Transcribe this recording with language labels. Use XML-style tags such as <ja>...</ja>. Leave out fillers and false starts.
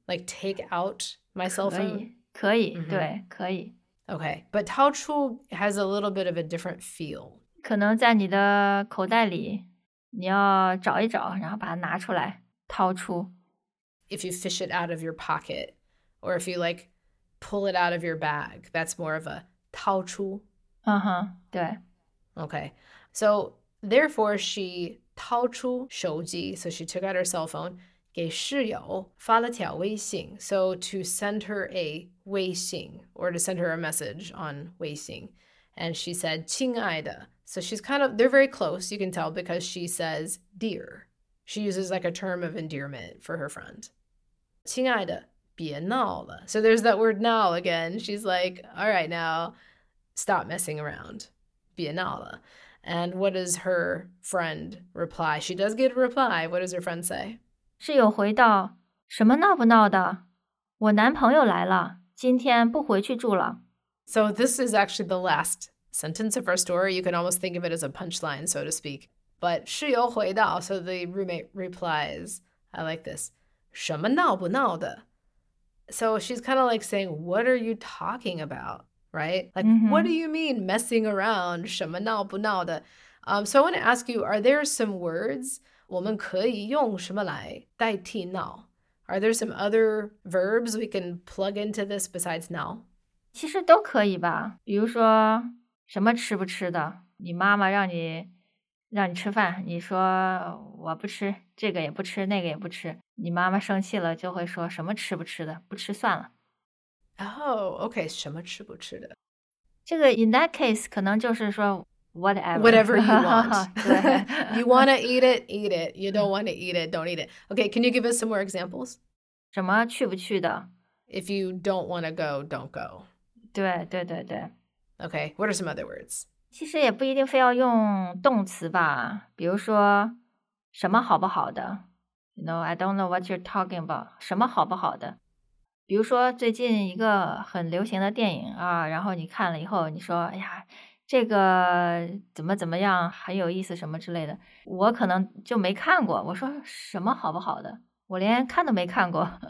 <en>Like take out my cell phone?</en> <zh>可以、mm-hmm. 对可以。</zh> <en>Okay, but 掏出 has a little bit of a different feel.</en> <zh>可能在你的口袋里你要找一找然后把它拿出来掏出。</zh> <en>If you fish it out of your pocket, or if you like pull it out of your bag, that's more of a 掏出。</en> <zh>Uh-huh, 对。</zh> <en>Okay, so therefore she</en> <zh>掏出手机</zh> <en>so she took out her cell phone,</en> <zh>给室友发了条微信</zh> <en>so to send her a 微信 or to send her a message on 微信 and she said,</en> <zh>亲爱的</zh> <en>so she's kind of, they're very close, you can tell, because she says, dear. She uses like a term of endearment for her friend.</en> <zh>亲爱的别闹了</zh> <en>so there's that word now again, she's like, all right now, stop messing around.</en> <zh>别闹了</zh> <en>And what does her friend reply? She does get a reply. What does her friend say?</en> <zh>室友回道什么闹不闹的我男朋友来了今天不回去住了</zh> <en>So this is actually the last sentence of our story. You can almost think of it as a punchline, so to speak. But</en> <zh>室友回道</zh> <en>so the roommate replies, I like this,</en> <zh>什么闹不闹的</zh> <en>So she's kind of like saying, what are you talking about? Right? Like,、mm-hmm. what do you mean messing around?</en> <zh>什么闹不闹的、</zh> <en>So I want to ask you, are there some words</en> <zh>我们可以用什么来代替闹?</zh> <en>Are there some other verbs we can plug into this besides 闹?</en> <zh>其实都可以吧。比如说什么吃不吃的你妈妈让你吃饭你说我不吃这个也不吃那个也不吃你妈妈生气了就会说什么吃不吃的不吃算了。</zh> <en>Oh, okay,</en> <zh>什么吃不吃的？这个</zh> <en>in that case</en> <zh>可能就是说 whatever.</zh> <en>Whatever you want. You want to eat it, eat it. You don't want to eat it, don't eat it. Okay, can you give us some more examples?</en> <zh>什么去不去的？</zh> <en>If you don't want to go, don't go.</en> <zh>对对对对。</zh> <en>Okay, what are some other words?</en> <zh>其实也不一定非要用动词吧。比如说什么好不好的？</zh> <en>You know, I don't know what you're talking about.</en> <zh>什么好不好的？比如说最近一个很流行的电影啊然后你看了以后你说哎呀这个怎么怎么样很有意思什么之类的我可能就没看过我说什么好不好的我连看都没看过。</zh>